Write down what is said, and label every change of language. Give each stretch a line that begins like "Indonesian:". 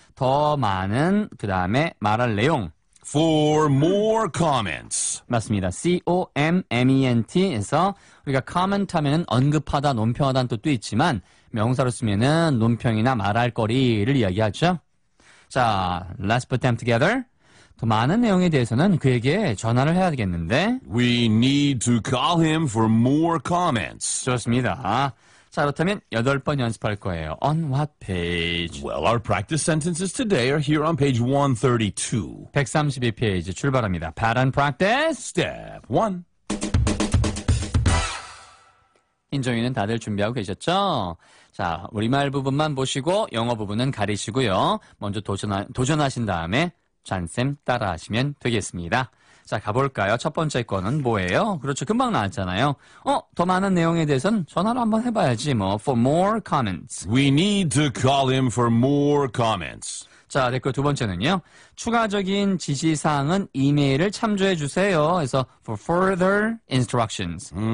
Korean: 더 많은 그다음에 말할 내용.
English: For more comments.
Korean: 맞습니다. comment에서 우리가 comment 하면 언급하다, 논평하다는 뜻도 있지만 명사로 쓰면은 논평이나 말할 거리를 이야기하죠.
English: 자, let's put them together.
Korean: 더 많은 내용에 대해서는 그에게 전화를 해야 되겠는데.
English: We need to call him for more comments.
Korean: 좋습니다. 자, 그렇다면 8번 연습할 거예요.
English: On what page? Well, our practice sentences today are here on page 132.
Korean: 132페이지 출발합니다.
English: Pattern practice. Step 1.
Korean: 인정이는 다들 준비하고 계셨죠? 자, 우리말 부분만 보시고 영어 부분은 가리시고요. 먼저 도전하신 다음에 잔쌤 따라 하시면 되겠습니다. 자, 가볼까요? 첫 번째 거는 뭐예요? 그렇죠. 금방 나왔잖아요. 더 많은 내용에 대해서는 전화로 한번 해봐야지, 뭐.
English: For more comments. We need to call him for more comments.
Korean: 자, 댓글 두 번째는요. 추가적인 지시사항은 이메일을 참조해 주세요.
English: 그래서 for further instructions.